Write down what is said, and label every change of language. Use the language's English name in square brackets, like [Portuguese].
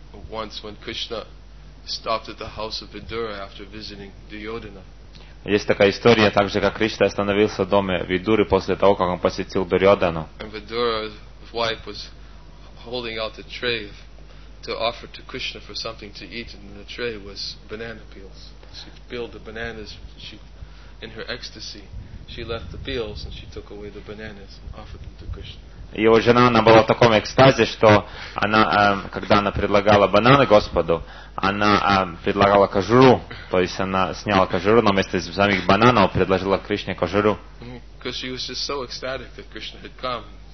[English] Once when Krishna stopped at the house of Vidura after visiting Duryodhana. [Russian] Есть такая история, также как Кришна остановился в доме Видуры после того, как он посетил Дурьодхану. [English] And Vidura's wife was holding out a tray to offer to Krishna for something to eat, and in the tray was banana peels. She peeled the bananas. She, in her ecstasy, she left the peels and she took away the bananas and offered them to Krishna. [Russian] Его жена, она была в таком экстазе, что она, когда она предлагала бананы Господу, она предлагала кожуру, то есть она сняла кожуру, но вместо самих бананов предложила Кришне кожуру. [English] Because she was just so ecstatic that Krishna had come.